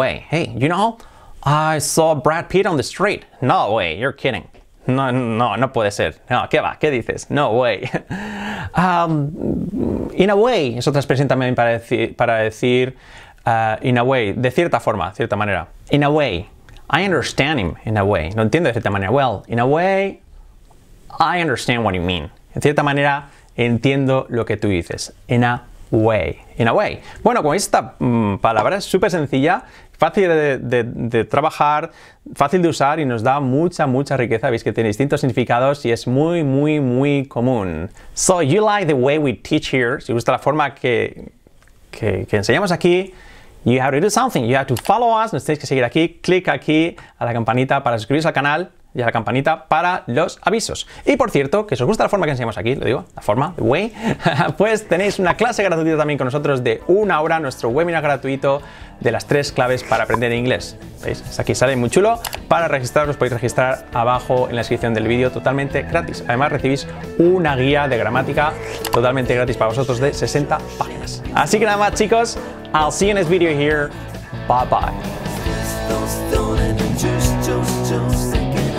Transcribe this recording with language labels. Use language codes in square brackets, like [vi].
[en] Hey, you know, I saw Brad Pitt on the street. No way, you're kidding. [es] No puede ser. No, ¿qué va? ¿Qué dices? [en] No way. In a way [es] es otra expresión también para decir... [en] in a way, [es] de cierta forma, cierta manera. [en] In a way, I understand him, in a way. [es] No entiendo de cierta manera. [en] Well, in a way, I understand what you mean. [es] En cierta manera, entiendo lo que tú dices. [en] In a way. [es] Bueno, con esta palabra es súper sencilla, fácil de trabajar, fácil de usar y nos da mucha, mucha riqueza. Veis que tiene distintos significados y es muy, muy, muy común. [en] So, you like the way we teach here. [es] Si gusta la forma que enseñamos aquí, [en] you have to do something. You have to follow us. [es] Nos tenéis que seguir aquí. Click aquí a la campanita para suscribirse al canal. y a la campanita para los avisos. Y por cierto, que si os gusta la forma que enseñamos aquí, lo digo, la forma, [en] the way, [es] pues tenéis una clase gratuita también con nosotros de una hora, nuestro webinar gratuito de las tres claves para aprender inglés. ¿Veis? Aquí sale muy chulo. Para registraros, os podéis registrar abajo en la descripción del vídeo totalmente gratis. Además, recibís una guía de gramática totalmente gratis para vosotros de 60 páginas. Así que nada más, chicos. [en] I'll see you in this video here. Bye bye.